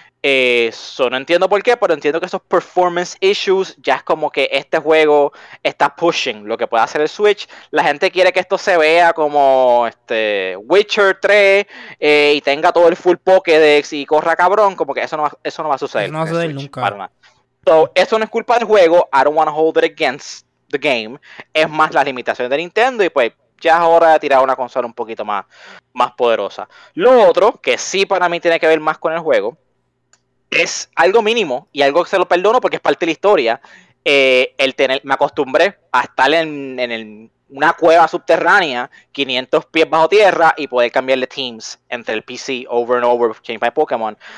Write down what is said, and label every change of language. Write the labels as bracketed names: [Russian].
[Spanish] Eso no entiendo por qué, pero entiendo que esos performance issues ya es como que este juego está pushing lo que puede hacer el Switch. La gente quiere que esto se vea como Witcher 3 y tenga todo el full Pokédex y corra cabrón, como que eso no va a suceder. No va a suceder nunca. Para nada. [English] So, [Spanish] eso no es culpa del juego, [English] I don't want to hold it against the game. [Spanish] Es más las limitaciones de Nintendo y pues ya es hora de tirar una consola un poquito más poderosa. Lo otro, que sí para mí tiene que ver más con el juego, es algo mínimo, y algo que se lo perdono porque es parte de la historia. Me acostumbré a estar en una cueva subterránea, 500 pies bajo tierra, y poder cambiarle teams entre el PC [English] over and over, change my Pokémon.